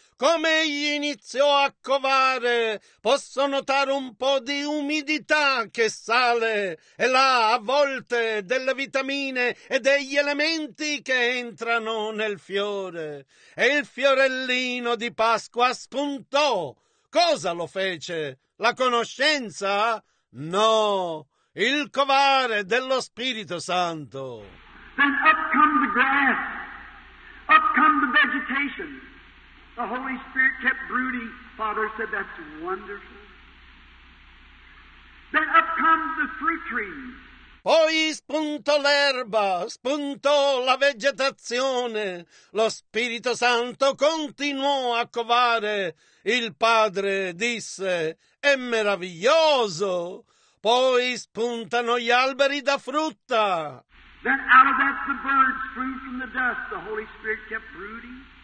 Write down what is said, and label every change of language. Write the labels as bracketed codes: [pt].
[it] Come egli iniziò a covare, posso notare un po' di umidità che sale e là a volte delle vitamine e degli elementi che entrano nel fiore. E il fiorellino di Pasqua spuntò. Cosa lo fece? La conoscenza? No, il covare dello Spirito Santo. [en] Then up come the grass, up come the vegetation. The Holy Spirit kept brooding. Father said, that's wonderful. Then up comes the fruit tree. [it] Poi spuntò l'erba, spuntò la vegetazione. Lo Spirito Santo continuò a covare. Il Padre disse, è meraviglioso. Poi spuntano gli alberi da frutta. [en] Then out of that the birds flew from the dust. The Holy Spirit kept brooding.